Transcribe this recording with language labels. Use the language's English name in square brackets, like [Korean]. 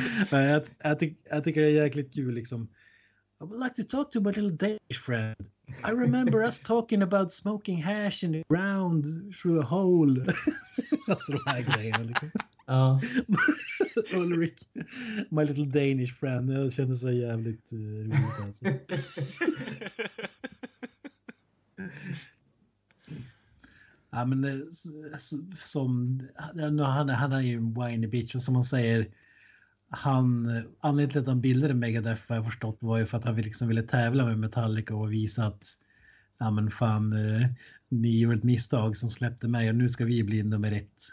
[Swedish] Men jag tycker det är jäkligt kul liksom. [English] I would like to talk to my little Danish friend. I remember us talking about smoking hash in the ground through a hole. [Swedish] Alltså de här grejerna liksom. Ja. [English] Ulrik, my little Danish friend. [Swedish] Jag kände så jävligt roligt alltså. Ja, men som han är ju en [English] whiny bitch, [Swedish] och som man säger, han, anledningen till att han bildade Megadeth har jag förstått var ju för att han liksom ville tävla med Metallica och visa att, ja men fan, ni gjorde ett misstag som släppte mig och nu ska vi bli nummer ett.